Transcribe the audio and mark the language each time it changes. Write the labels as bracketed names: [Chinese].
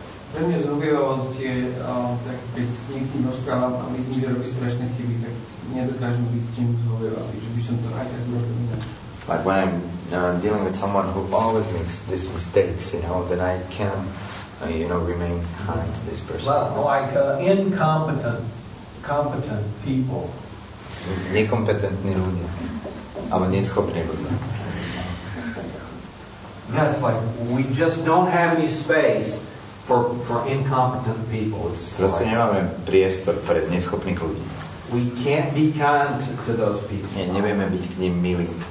[Slovak] Pre mňa zhovievavosť je, tak keď s niekým rozprávam a vidím, že robí strašné chyby, tak nedokážem byť tým zhovievavý, že by som to aj tak robil. [English] Like when I'm dealing with someone who always makes these mistakes, you know, then I can, you know, remain kind to this person. Well, like incompetent people. [Slovak] Nekompetentní ľudia. Alebo neschopní ľudia. [English] That's like, we just don't have any space for incompetent people. [Slovak] Proste nemáme priestor pre neschopných ľudí. [English] We can't be kind to those people. [Slovak] Nie, nevieme byť k ním milí.